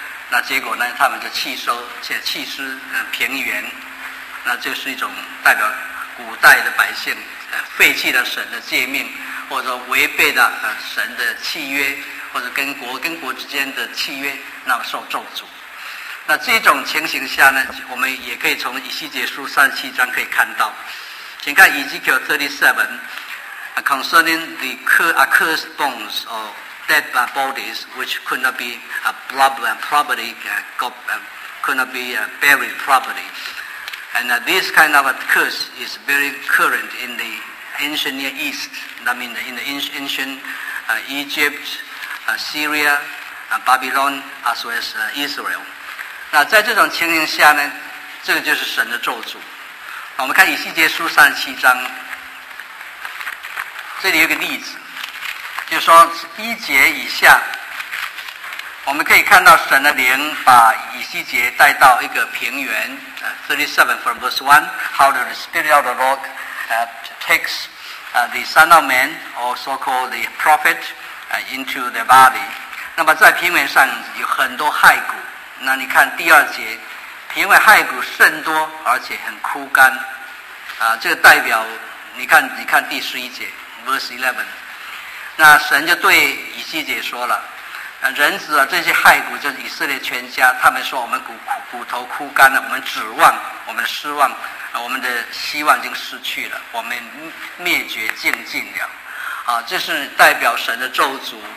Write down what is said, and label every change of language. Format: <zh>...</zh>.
<zh>那结果呢，他们就弃尸平原。那这是一种代表古代的百姓废弃了神的诫命，或者说违背了神的契约，或者跟国跟国之间的契约，那么受咒诅。那这种情形下呢，我们也可以从以西结书三十七章可以看到，请看</zh> <en>Ezekiel 37 concerning the accursed bones of dead bodies which could not be buried properly, and this kind of a curse is very current in the ancient Near East. I mean in the ancient Egypt, Syria, Babylon, as well as Israel.</en> <zh>那在这种情形下呢，这个就是神的咒诅。我们看以西结书三十七章，这里有个例子，就是说一节以下，我们可以看到神的灵把以西结带到一个平原。</zh> <en>37 from verse 1, how the spirit of the Lord takes the son of man, or so-called the prophet, into the body.</en> <zh>那么在平原上有很多骸骨。那你看第二节，因为骸骨甚多，而且很枯干，这个代表你看第十一节 ，</zh> <en>verse 11，</en> <zh>那神就对以西结说了，人子啊，这些骸骨就是以色列全家，他们说我们骨头枯干了，我们指望，我们失望，我们的希望已经失去了，我们灭绝净尽了，这是代表神的咒诅，</zh>